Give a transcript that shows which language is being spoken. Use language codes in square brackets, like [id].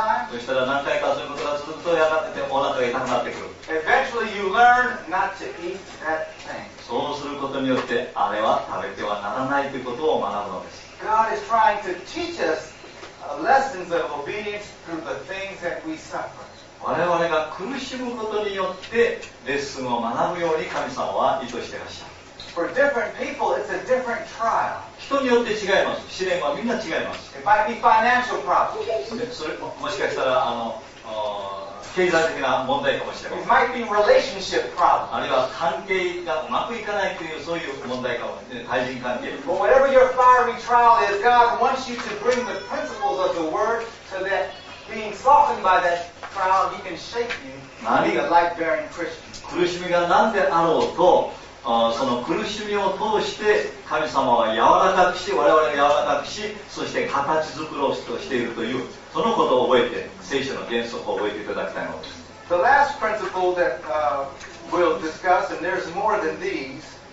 [ja] そしたら何回かそういうことが続くと、やがてお腹が痛くなってくる。 [en] Eventually you learn not to eat that thing. [ja] そうすることによってあれは食べてはならないということを学ぶのです。 [en] God is trying to teach us lessons of obedience through the things that we suffer. [ja] 我々が苦しむことによってレッスンを学ぶように神様は意図していらっしゃる。 [en] For different people, it's a different trial. [ja] 人によって違います。試練はみんな違います。 [en] It might be financial problems. [ja] それもしかしたら経済的な問題かもしれません。 [en] It might be relationship problems. [ja] あるいは関係がうまくいかないというそういう問題かもしれません。対人関係。 [en] But whatever your fiery trial is, God wants you to bring the principles of the word so that being softened by that trial, he can shape you into a light-bearing Christian. [ja] 苦しみが何であろうと、その苦しみを通して神様は柔らかくし、我々が柔らかくし、そして形作ろうとしているという、そのことを覚えて、聖書の原則を覚えていただきたいのです。 [en] The last principle that we'll discuss, and there's more than these.